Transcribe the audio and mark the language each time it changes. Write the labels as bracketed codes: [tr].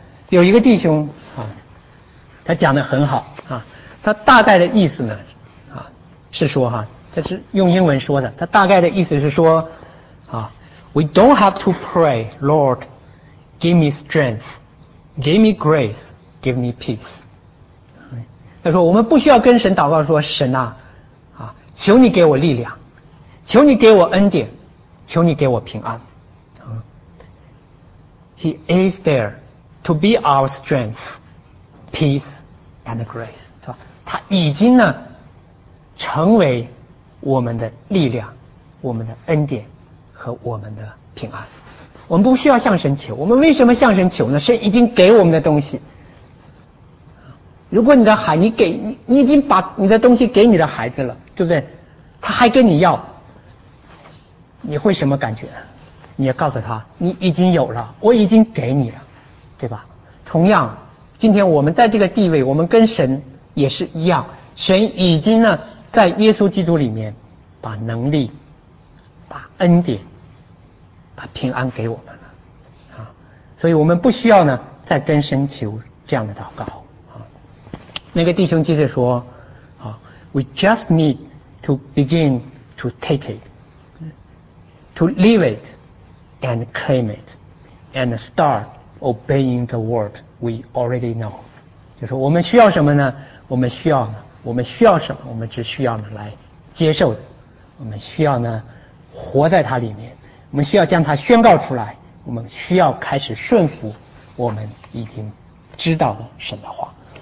[zh] 有一个弟兄他讲得很好他大概的意思呢是说他是用英文说的，他大概的意思是说 [en] We don't have to pray, Lord, give me strength, give me grace, give me peace。 [zh] 他说我们不需要跟神祷告说，神求你给我力量，求你给我恩典，求你给我平安。 [en] He is there to be our strength, peace and grace。 [zh] 他已经呢成为我们的力量、我们的恩典和我们的平安。我们不需要向神求，我们为什么向神求呢？神已经给我们的东西，如果你的孩子，你已经把你的东西给你的孩子了，对不对？他还跟你要，你会什么感觉？你要告诉他，你已经有了，我已经给你了，对吧？同样，今天我们在这个地位，我们跟神也是一样，神已经呢，在耶稣基督里面，把能力、把恩典、把平安给我们了，所以我们不需要呢，再跟神求这样的祷告。那个弟兄接着说 [en] We just need to begin to take it, to leave it and claim it, and start obeying the word we already know。 [zh] 就是我们需要什么呢？我们需要什么？我们只需要呢来接受的，我们需要呢活在它里面，我们需要将它宣告出来，我们需要开始顺服我们已经知道的神的话。